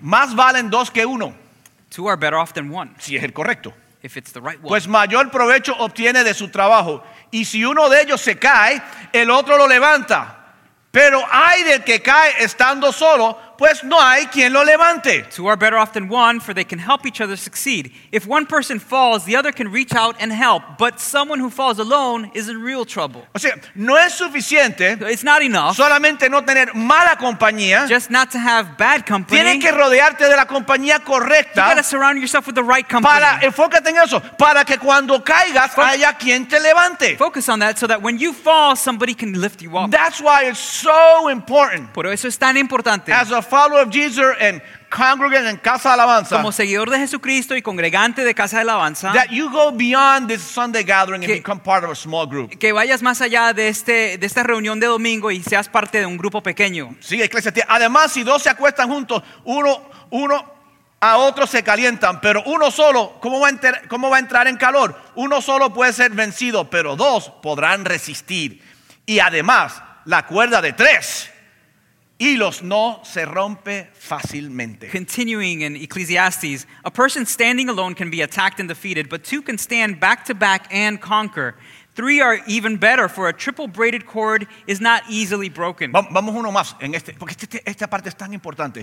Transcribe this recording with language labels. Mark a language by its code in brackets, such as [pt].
[es] Más valen dos que uno. [en] Two are better off than one. [es] Si es el correcto. [en] If it's the right one. [es] Pues mayor provecho obtiene de su trabajo. Y si uno de ellos se cae, el otro lo levanta. Pero hay del que cae estando solo, pues no hay quien lo levante. [en] Two are better off than one, for they can help each other succeed. If one person falls, the other can reach out and help. But someone who falls alone is in real trouble. [es] O sea, no es suficiente. [en] It's not enough. [es] Solamente no tener mala compañía. [en] Just not to have bad company. [es] Tienes que rodearte de la compañía correcta. [en] You gotta surround yourself with the right company. [es] Para, enfócate en eso. Para que cuando caigas, haya quien te levante. [en] Focus on that so that when you fall, somebody can lift you up. That's why it's so important. [es] Por eso es tan importante. [en] As a follower of Jesus and congregant in Casa Alabanza, [es] como seguidor de Jesucristo y congregante de Casa de Alabanza, [en] that you go beyond this Sunday gathering and become part of a small group. [es] Que vayas más allá de este de esta reunión de domingo y seas parte de un grupo pequeño. Sí, iglesia. Además, si dos se acuestan juntos, uno a otro se calientan, pero uno solo, ¿cómo va a entrar en calor? Uno solo puede ser vencido, pero dos podrán resistir. Y además, la cuerda de tres hilos no se rompe fácilmente. [en] Continuing in Ecclesiastes, a person standing alone can be attacked and defeated, but two can stand back to back and conquer. Three are even better, for a triple braided cord is not easily broken. [es] Vamos uno más en este, porque esta parte es tan importante.